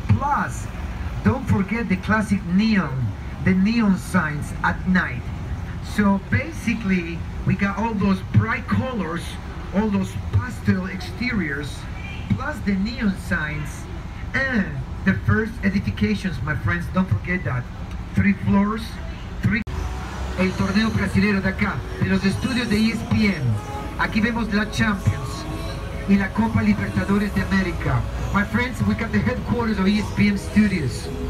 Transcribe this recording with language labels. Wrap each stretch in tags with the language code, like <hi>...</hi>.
<en>Plus, don't forget the classic neon, the neon signs at night. So basically, we got all those bright colors, all those pastel exteriors, plus the neon signs, and the first edifications, my friends, don't forget that. Three floors, three...</en> <es>El torneo brasileiro de acá, de los estudios de ESPN. Aquí vemos la Champions y la Copa Libertadores de América.</es> <en>My friends, we got the headquarters of ESPN Studios.</en>